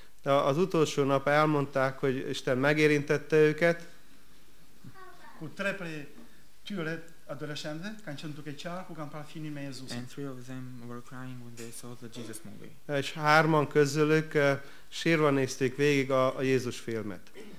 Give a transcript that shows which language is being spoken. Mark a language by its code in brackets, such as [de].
[hu] De az utolsó nap elmondták, hogy Isten megérintette őket. [en] And 3 of them were crying when they saw the Jesus movie. [hu] És 3 közülük sírva nézték végig a Jézus filmet.